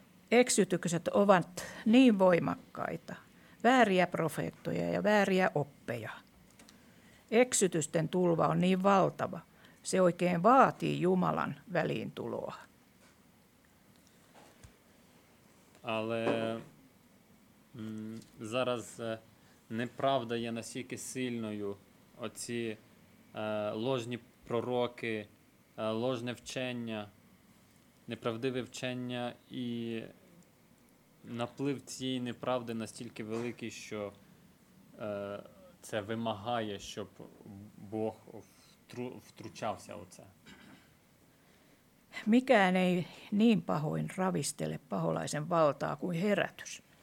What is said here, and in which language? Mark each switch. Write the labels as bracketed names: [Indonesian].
[Finnish] Eksytykset ovat niin voimakkaita. Vääriä profeettoja ja vääriä oppeja. Eksytysten tulva on niin valtava. Se oikein vaatii Jumalan väliintuloa. [Ukrainian] Але зараз неправда є настільки сильною, оці ложні пророки, ложне вчення, неправдиве вчення і наплив цієї неправди настільки великий, що це вимагає, щоб Бог втручався у це. [Finnish] Mikään ei niin pahoin ravistele paholaisen valtaa kuin herätys.